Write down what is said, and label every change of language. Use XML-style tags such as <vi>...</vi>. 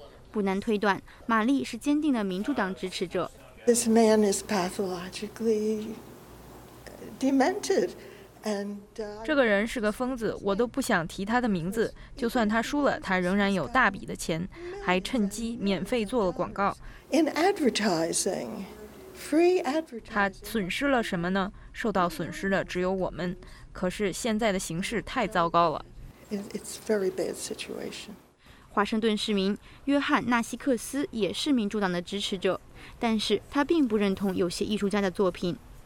<zh>不难推断，玛丽是坚定的民主党支持者。</zh> <en>This man is pathologically demented.</en> <zh>这个人是个疯子，我都不想提他的名字。就算他输了，他仍然有大笔的钱，还趁机免费做了广告。</zh> <en>In advertising, free advertising.</en> <zh>他损失了什么呢？受到损失的只有我们。可是现在的形势太糟糕了。</zh> <en>It's very bad situation.</en> <zh>华盛顿市民约翰·纳西克斯也是民主党的支持者，但是他并不认同有些艺术家的作品。</zh>